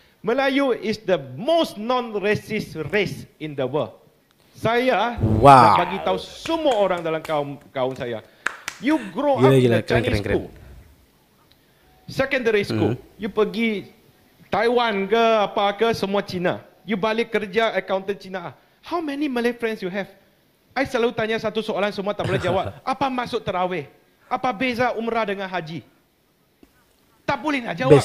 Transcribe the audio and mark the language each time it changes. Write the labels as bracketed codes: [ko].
[en] Melayu is the most non-racist race in the world. [ms] Saya nak bagi tahu semua orang dalam kaum saya. [en] You grow up in Chinese school. Secondary school, you [ms] pergi Taiwan ke apa ke, semua Cina. You balik kerja accountant Cina. [en] How many Malay friends you have? [ms] I selalu tanya satu soalan, semua tak boleh jawab. Apa maksud terawih? Apa beza umrah dengan haji? Tak boleh nak jawab.